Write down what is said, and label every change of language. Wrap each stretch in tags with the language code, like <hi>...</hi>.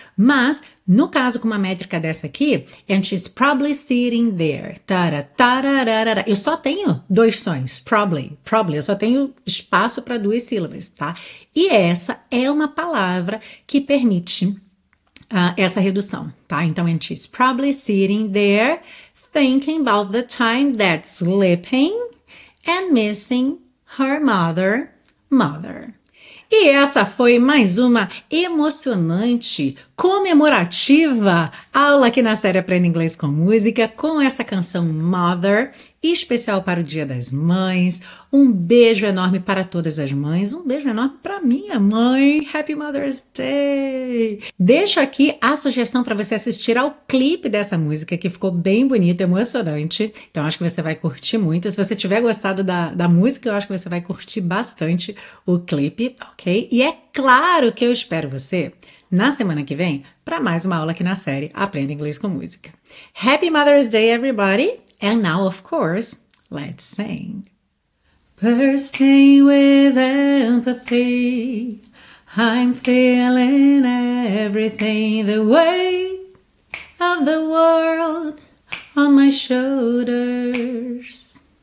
<pt>Mas, no caso com uma métrica dessa aqui,</pt> <en>and she's probably sitting there.</en> <pt>Tara, tararara. Eu só tenho dois sons, probably, probably. Eu só tenho espaço para duas sílabas, tá? E essa é uma palavra que permite essa redução, tá?</pt> <en>Então, and she's probably sitting there, thinking about the time that's slipping and missing her mother, mother.</en> <pt>E essa foi mais uma emocionante, comemorativa aula aqui na série Aprenda Inglês com Música, com essa canção Mother, especial para o Dia das Mães. Um beijo enorme para todas as mães, um beijo enorme para minha mãe.</pt> <en>Happy Mother's Day!</en> <pt>Deixo aqui a sugestão para você assistir ao clipe dessa música, que ficou bem bonito, emocionante. Então, acho que você vai curtir muito. Se você tiver gostado da música, eu acho que você vai curtir bastante o clipe, ok? E é claro que eu espero você na semana que vem para mais uma aula aqui na série Aprenda Inglês com Música.</pt> <en>Happy Mother's Day, everybody! And now, of course, let's sing. Bursting with empathy, I'm feeling everything the weight of the world on my shoulders.</en>